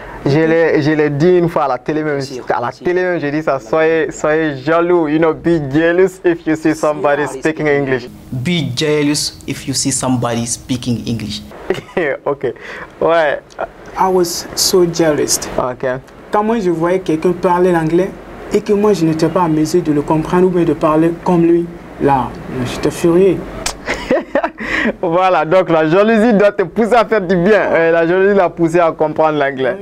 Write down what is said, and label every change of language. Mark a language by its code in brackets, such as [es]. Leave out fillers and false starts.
[fr] Je l'ai dit une fois à la télé même. À la télé même, j'ai dit ça. Soyez jaloux. [en] You know, be jealous if you see somebody speaking English. Be jealous if you see somebody speaking English. [fr] Ok. Ouais. [en] I was so jealous. Ok. [fr] Quand moi je voyais quelqu'un parler l'anglais et que moi je n'étais pas à mesure de le comprendre ou bien de parler comme lui, là, j'étais furieux. Voilà, donc la jalousie doit te pousser à faire du bien. Et la jalousie l'a poussé à comprendre l'anglais.